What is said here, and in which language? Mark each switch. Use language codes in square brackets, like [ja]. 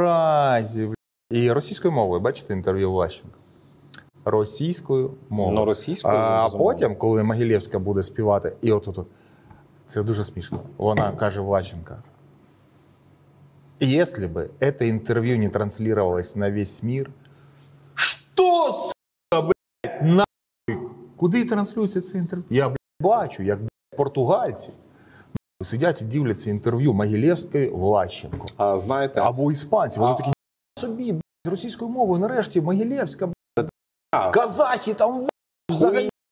[uk] Ох, і мразі, блядь. І російською мовою, бачите, інтерв'ю Влащенка? Російською мовою. Ну, російською. А потім, коли Могилєвська буде співати, і от-от-от. Це дуже смішно. Вона каже Влащенка. [ru] Если бы это интервью не транслировалось на весь мир, что, сука, блядь, нахуй? [uk] Куди транслюється це інтерв'ю? Я, блядь, бачу, як, блядь, португальці нахуй, сидять і дивляться інтерв'ю Могилєвської Влащенко. А знаєте? Або іспанці. Вони такі, собі, блядь, російською мовою, нарешті Могилєвська, блядь, казахи там, взагалі.